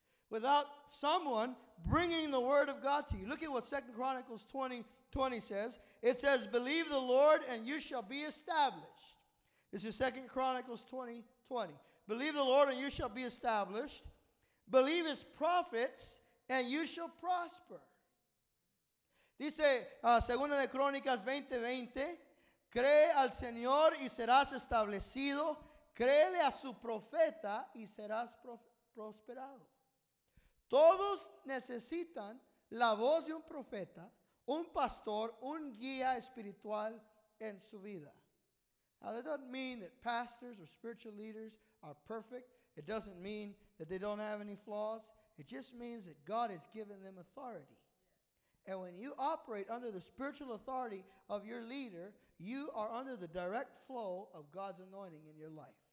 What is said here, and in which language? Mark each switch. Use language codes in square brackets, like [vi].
[en] Without someone bringing the word of God to you. Look at what 2 Chronicles 20:20 says. It says, believe the Lord and you shall be established. This is 2 Chronicles 20:20. Believe the Lord and you shall be established. Believe his prophets and you shall prosper. [es] Dice, Segunda de Crónicas 20:20, cree al Señor y serás establecido, créele a su profeta y serás prosperado. Todos necesitan la voz de un profeta, un pastor, un guía espiritual en su vida. [en] Now that doesn't mean that pastors or spiritual leaders are perfect. It doesn't mean that they don't have any flaws. It just means that God has given them authority. And when you operate under the spiritual authority of your leader, you are under the direct flow of God's anointing in your life.